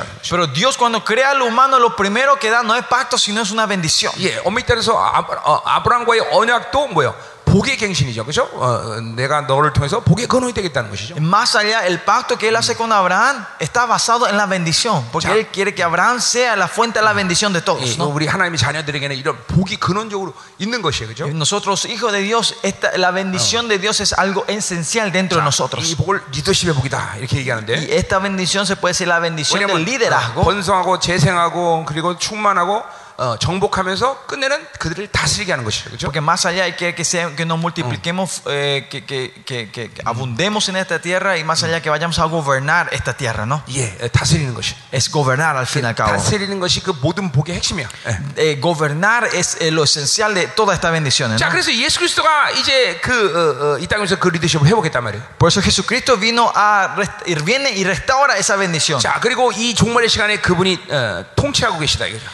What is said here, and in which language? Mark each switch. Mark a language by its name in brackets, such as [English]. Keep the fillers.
[Spanish] Pero Dios, cuando crea al humano, lo primero que da no es pacto, sino es una bendición. y Abraham, ¿qué [Korean] 복의 갱신이죠. 그렇죠? 어, 내가 너를 통해서 복의 근원이 되겠다는 것이죠. [Spanish] Más allá el pacto que él hace con Abraham está basado en la bendición, porque 자, él quiere que Abraham sea la fuente de la bendición de todos. 예, no? [Korean] 우리 하나님의 자녀들에게는 이런 복이 근원적으로 있는 것이에요. 그렇죠? [Spanish] Nosotros hijos de Dios, esta, la bendición 어. de Dios es algo esencial dentro 자, de nosotros. [Korean] 이 복을 리더십의 복이다. 이렇게 얘기하는데. [Spanish] Y esta bendición se puede decir la bendición [Korean] 왜냐하면, [Spanish] del liderazgo. [Korean] 어, 번성하고 재생하고 그리고 충만하고 정복하면서 끝내는 그들을 다스리게 하는 것이죠. 그렇죠? [Spanish] Porque más allá que que sea que nos multipliquemos 음. eh, que que que que abundemos en esta tierra y más allá 음. que vayamos a gobernar esta tierra, ¿no? [Korean] 예, 다스리는 것이. [Spanish] Es gobernar al final. [Korean] 예, 다스리는 것이 그 모든 복의 핵심이야. 예. [Spanish] Eh, gobernar es eh, lo esencial de toda esta bendición, 자, ¿no? [Korean] 자, 그래서 예수 그리스도가 이제 그이 어, 어, 땅에서 그 리더십을 회복했단 말이에요. [Spanish] Por eso Jesucristo vino a ir viene y restaura esa bendición. [Korean] 자, 그리고 이 종말의 시간에 그분이 어, 통치하고 계시다 이거죠.